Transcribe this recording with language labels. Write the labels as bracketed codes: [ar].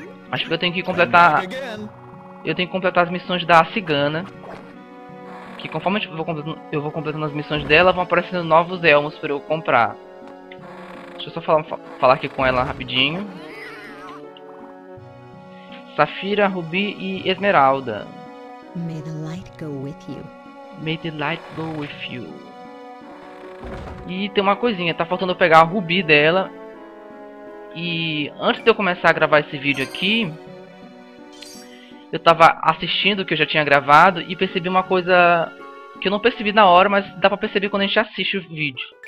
[pt] Acho que eu tenho que completar. Eu tenho que completar as missões da cigana. Que conforme eu vou completando as missões dela, vão aparecendo novos elmos pra eu comprar. Deixa eu só falar aqui com ela rapidinho. Safira, Rubi e Esmeralda. [en] May the light go with you. May the light go with you. [pt] E tem uma coisinha, tá faltando eu pegar a Rubi dela. E antes de eu começar a gravar esse vídeo aqui, eu tava assistindo o que eu já tinha gravado e percebi uma coisa que eu não percebi na hora, mas dá pra perceber quando a gente assiste o vídeo.